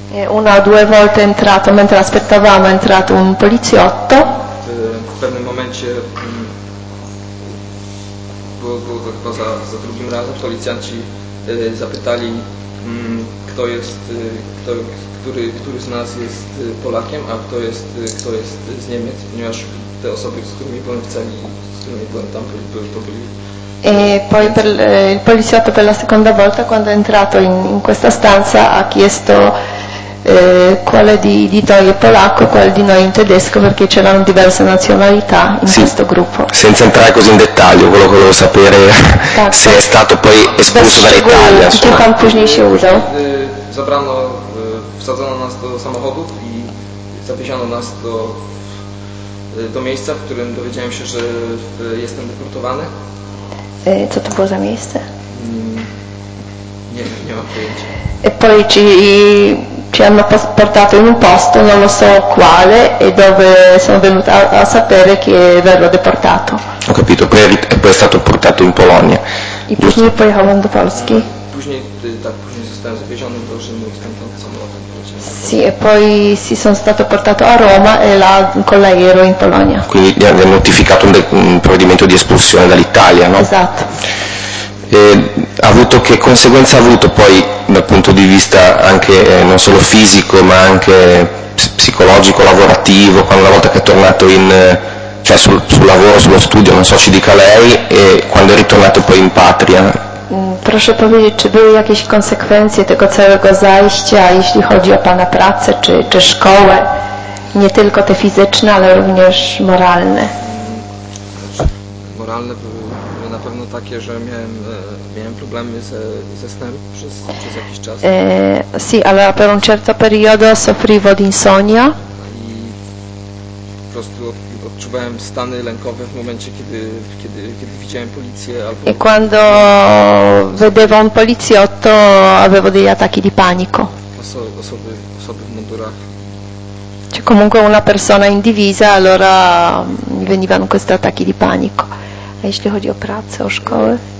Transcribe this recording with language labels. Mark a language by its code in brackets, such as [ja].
[it] Una o due volte entrato, mentre aspettavamo, è entrato un poliziotto. [pl] W pewnym momencie, było to chyba za drugim razem, policjanci zapytali, który z nas jest Polakiem, a kto jest z Niemiec, ponieważ te osoby, z którymi byłem w celi, z którymi byłem tam, to byli. [it] E poi il poliziotto per la seconda volta, quando è entrato in questa stanza, ha chiesto quale di noi è polacco, quale di noi è in tedesco, perché c'erano diverse nazionalità in sì, questo gruppo. Senza entrare così in dettaglio, quello che volevo sapere tanto, se è stato poi espulso dall'Italia. Di che pan później si usa? [pl] Zabrano, wsadzono nas do samochodu i zapisano nas do miejsca, w którym dowiedziałem się, że jestem deportowany. Co to było za miejsce? Nie mam pojęcia. [it] E poi ci hanno portato in un posto, non lo so quale, e dove sono venuta a sapere che verrò deportato. Ho capito, poi è stato portato in Polonia. [pl] I później pojechałam do Polski. Później zostałem zawieziony do Rzymu i stamtąd samolotem. [it] Sì, e poi si sono stato portato a Roma e là con l'aereo in Polonia. Quindi gli hanno notificato un provvedimento di espulsione dall'Italia, no? Esatto. E, che conseguenza ha avuto poi dal punto di vista anche non solo fisico ma anche psicologico, lavorativo, quando una volta che è tornato sul lavoro, sullo studio, non so, ci dica lei, e quando è ritornato poi in patria? [pl] Proszę powiedzieć, czy były jakieś konsekwencje tego całego zajścia, jeśli chodzi o pana pracę czy szkołę? Nie tylko te fizyczne, ale również moralne. Moralne były na pewno takie, że miałem problemy ze snem przez jakiś czas. [it] Sì, ale per un certo periodo soffrivo di insonnia. [pl] I po prostu odczuwałem stany lękowe w momencie, kiedy widziałem policję. [it] E quando vedevo un poliziotto avevo degli attacchi di panico. [pl] osoby w mundurach. [it] Cioè comunque una persona in divisa, allora venivano questi attacchi di panico. [pl] A jeśli chodzi o pracę, o szkoły?